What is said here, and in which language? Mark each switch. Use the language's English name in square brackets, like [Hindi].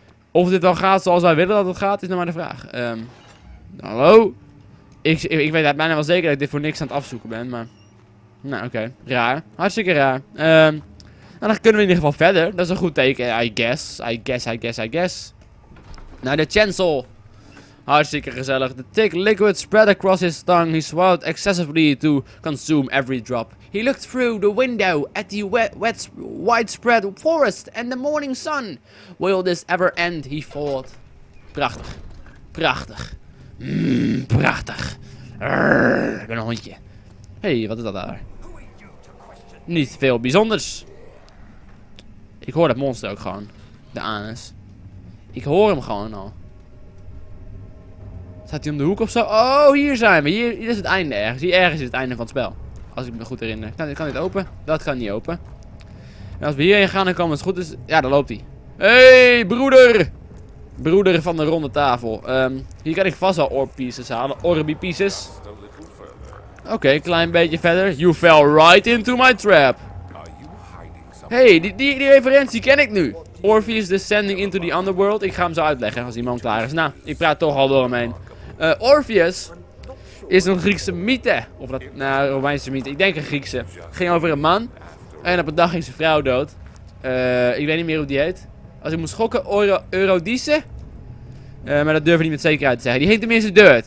[Dutch] Of dit wel gaat zoals wij willen dat het gaat, is nog maar de vraag. Hallo? Ik weet bijna wel zeker dat ik dit voor niks aan het afzoeken ben, maar... Nou, oké. Raar. Hartstikke raar. Nou, dan kunnen we in ieder geval verder. Dat is een goed teken, [English] I guess. [Dutch] Naar de chancel. Hartstikke gezellig. [English] The thick liquid spread across his tongue. He swallowed excessively to consume every drop. He looked through the window at the wet widespread forest and the morning sun. Will this ever end, he thought. [Dutch] Prachtig. Prachtig. Prachtig. Ik ben een hondje. Hey, wat is dat daar? Niet veel bijzonders. Ik hoor dat monster ook gewoon. De anus. Ik hoor hem gewoon al. Staat hij om de hoek of zo? Oh, hier zijn we. Hier is het einde ergens. Hier ergens is het einde van het spel. Als ik me goed herinner. Kan dit open? Dat kan niet open. En als we hierheen gaan, dan komen we het goed. Dus... Ja, daar loopt hij. Hey, broeder! Broeder van de ronde tafel. Hier kan ik vast wel orb pieces halen. Orbi pieces. Oké, klein beetje verder. [English] You fell right into my trap. [Dutch] Hey, die referentie ken ik nu. [English] Orpheus descending into the underworld. [Dutch] Ik ga hem zo uitleggen als iemand klaar is. Nou, ik praat toch al door hem heen. Orpheus is een Griekse mythe. Of dat, nou, Romeinse mythe. Ik denk een Griekse. Ging over een man. En op een dag ging zijn vrouw dood. Ik weet niet meer hoe die heet. Als ik moet schokken, Eurydice. Maar dat durf ik niet met zekerheid te zeggen. Die heet tenminste dirt.